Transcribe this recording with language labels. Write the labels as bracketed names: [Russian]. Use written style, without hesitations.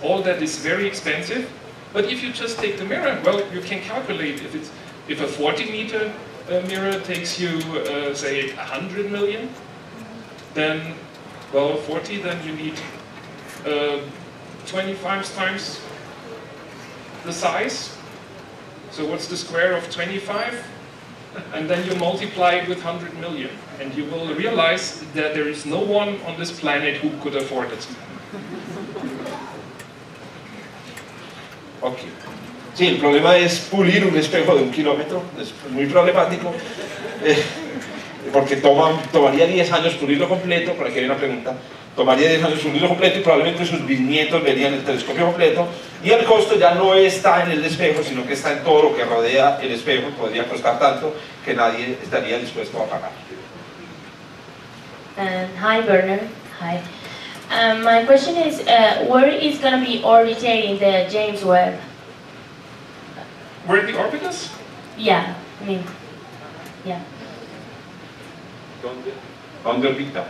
[English] All that is very expensive, but if you just take the mirror, well, you can calculate if a 40-meter mirror takes you, say, 100 million, then, well, 40, then you need 25 times the size. So what's the square of 25? And then you multiply it with 100 million, and you will realize that there is no one on this planet who could afford it. Okay. [Spanish] Sí, el problema es pulir un espejo de 1 kilómetro, es muy problemático, porque tomaría 10 años pulirlo completo, por aquí hay una pregunta, tomaría 10 años pulirlo completo y probablemente sus bisnietos verían el telescopio completo, y el costo ya no está en el espejo, sino que está en todo lo que rodea el espejo, podría costar tanto que nadie estaría dispuesto a pagar. [English] Hi, Bernard. Hi. My question is, where is going to be orbiting the James Webb? Where the orbit is? Yeah, I mean, yeah. On the orbit.